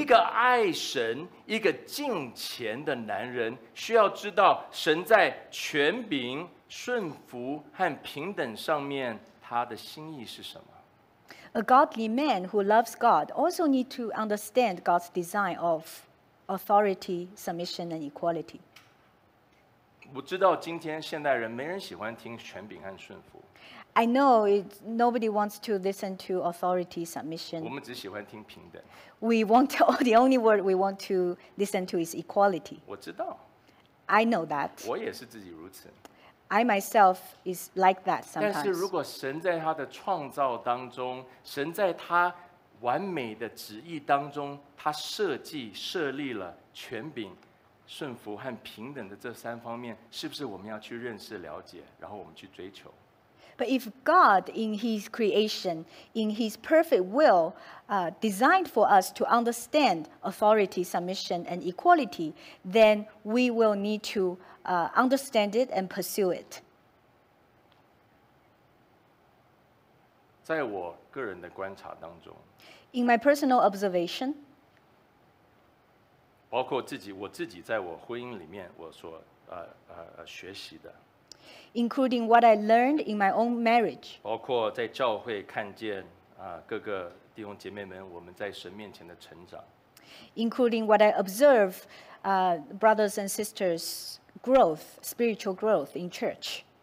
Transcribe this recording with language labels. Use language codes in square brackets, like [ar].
[zh] 一个爱神一个敬虔的男人需要知道神在权柄顺服和平等上面他的心意是什么。 [en] A godly man who loves God also needs to understand God's design of authority, submission, and equality. [zh] 我知道今天现代人没人喜欢听权柄和顺服。 [en] I know nobody wants to listen to authority, submission. [zh] 我们只喜欢听平等。 [en] We want the only word we want to listen to is equality. [zh] 我知道。 [en] I know that. [zh] 我也是自己如此。 [en] I myself is like that sometimes. [zh] 但是如果神在他的创造当中，神在他完美的旨意当中，他设计设立了权柄、顺服和平等的这三方面，是不是我们要去认识、了解，然后我们去追求？ [en] But if God in His creation, in His perfect will, designed for us to understand authority, submission, and equality, then we will need to understand it and pursue it. [zh] 在我个人的观察当中， [en] In my personal observation, [zh] 包括自己，我自己在我婚姻里面我所学习的， [en] including what I learned in my own marriage, [zh] 包括在教会看见各个弟兄姐妹们我们在神面前的成长， [en] including what I observe, brothers and sisters. Growth, spiritual growth in church.